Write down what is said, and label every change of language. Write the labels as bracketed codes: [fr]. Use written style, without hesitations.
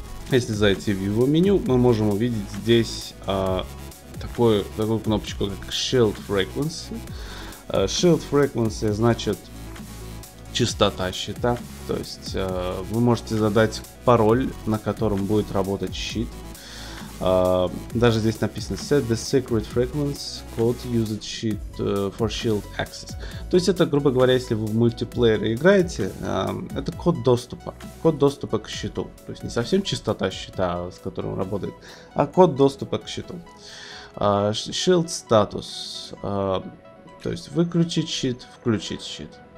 [ru] Если зайти в его меню, мы можем увидеть здесь такую кнопочку, как Shield Frequency. Shield Frequency значит частота щита. То есть вы можете задать пароль, на котором будет работать щит. Даже здесь написано [en] Set the secret frequency code used shield, for shield access. [ru] То есть это, грубо говоря, если вы в мультиплеере играете, это код доступа. Код доступа к щиту. То есть не совсем частота щита, с которым работает, а код доступа к щиту. [en] Shield status. [ru] То есть выключить щит, включить щит.